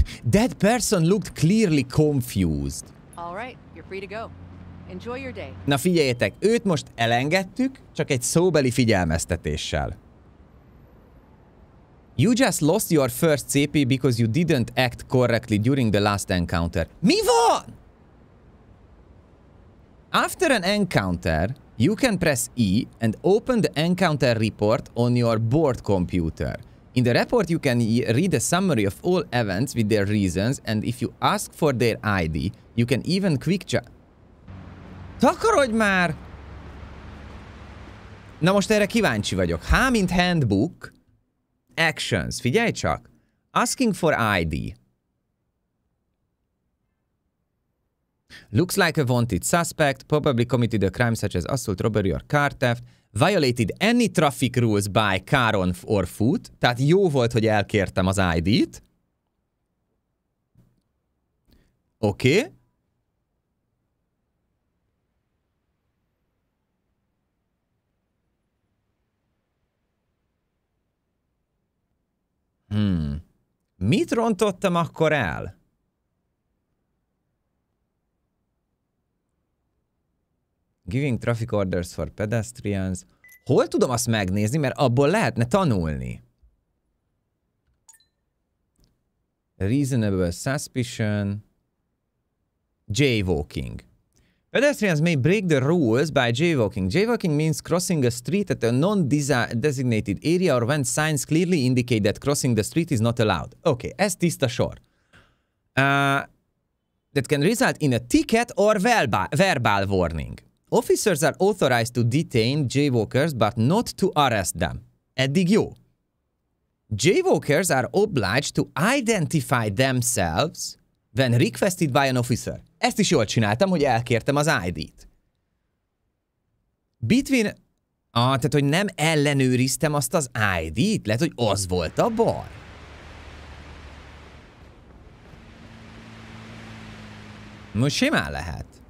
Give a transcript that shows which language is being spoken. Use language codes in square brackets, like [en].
[en] That person looked clearly confused. All right, you're free to go. Enjoy your day. [hu] Na figyeljetek, őt most elengedtük, csak egy szóbeli figyelmeztetéssel. [en] You just lost your first CP because you didn't act correctly during the last encounter. [hu] Mi van? [en] After an encounter, you can press E and open the encounter report on your board computer. In the report you can read a summary of all events with their reasons and if you ask for their ID, you can even quick check. [hu] Takarodj már! Na most erre kíváncsi vagyok. H mint handbook. Actions. Figyelj csak. [en] Asking for ID. Looks like a wanted suspect. Probably committed a crime such as assault, robbery or car theft. Violated any traffic rules by car on or foot. [hu] Tehát jó volt, hogy elkértem az ID-t. Oké. Okay. Mit rontottam akkor el? [en] Giving traffic orders for pedestrians. [hu] Hol tudom azt megnézni, mert abból lehetne tanulni. [en] Reasonable suspicion. Jaywalking. Pedestrians may break the rules by jaywalking. Jaywalking means crossing a street at a non-designated area or when signs clearly indicate that crossing the street is not allowed. Okay, [hu] ez tiszta sor. [en] That can result in a ticket or verbal warning. Officers are authorized to detain jaywalkers, but not to arrest them. [hu] Eddig jó. [en] Jaywalkers are obliged to identify themselves when requested by an officer. [hu] Ezt is jól csináltam, hogy elkértem az ID-t. Between... Ah, tehát, hogy nem ellenőriztem azt az ID-t? Lehet, hogy az volt a baj? Most simán lehet.